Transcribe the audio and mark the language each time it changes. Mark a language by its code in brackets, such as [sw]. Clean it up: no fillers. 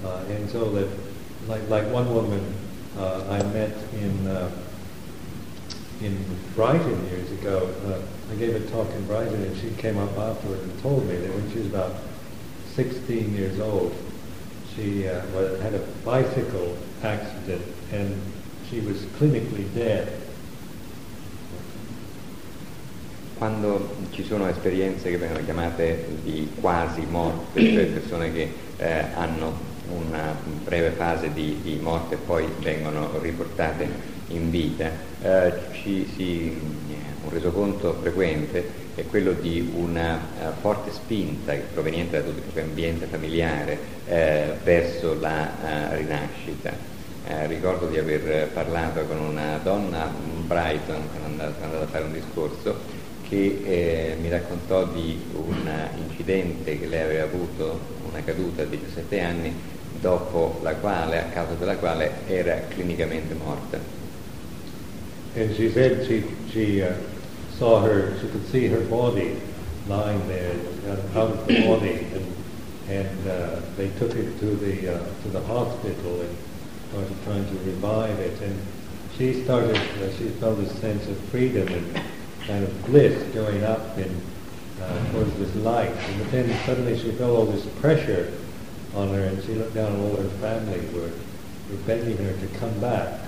[en] and so that, like one woman I met in Brighton years ago, I gave a talk in Brighton, and she came up afterward and told me that when she was about 16 years old, she had a bicycle accident and she was clinically dead. [it] Quando ci sono esperienze che vengono chiamate di quasi morte, cioè persone che hanno una breve fase di morte e poi vengono riportate in vita, un resoconto frequente è quello di una forte spinta proveniente da tutto il proprio ambiente familiare verso la rinascita. Ricordo di aver parlato con una donna, Brighton, che è andata a fare un discorso, che mi raccontò di un incidente che lei aveva avuto, una caduta a 17 anni, dopo la quale, a causa della quale, era clinicamente morta. [en] And she said she could see her body lying there, out of the body, and they took it to the hospital and started trying to revive it, and she felt a sense of freedom and kind of bliss going up in towards this light, and then suddenly she felt all this pressure on her, and she looked down and all her family were begging her to come back.